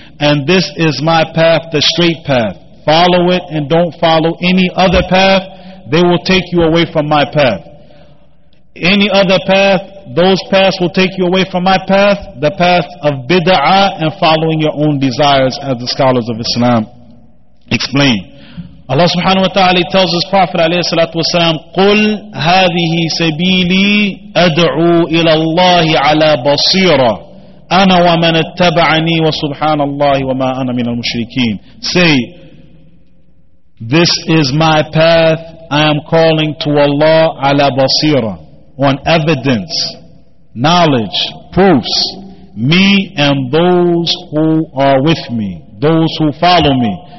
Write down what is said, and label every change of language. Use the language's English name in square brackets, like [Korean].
[English] And this is my path, the straight path. Follow it and don't follow any other path. They will take you away from my path. Any other path, those paths will take you away from my path, the path of bid'ah and following your own desires, as the scholars of Islam explain. Allah subhanahu wa ta'ala tells His Prophet alayhi salatu wasalam, [Arabic] قُلْ هَذِهِ سَبِيلِي أَدْعُوا إِلَى اللَّهِ عَلَى بَصِيرًا أَنَا وَمَنَ اتَّبَعَنِي وَسُبْحَانَ اللَّهِ وَمَا أَنَا مِنَ الْمُشْرِكِينَ. [English] Say, this is my path, I am calling to Allah, [Arabic] عَلَى بَصِيرًا, [English] on evidence, knowledge, proofs, me and those who are with me, those who follow me.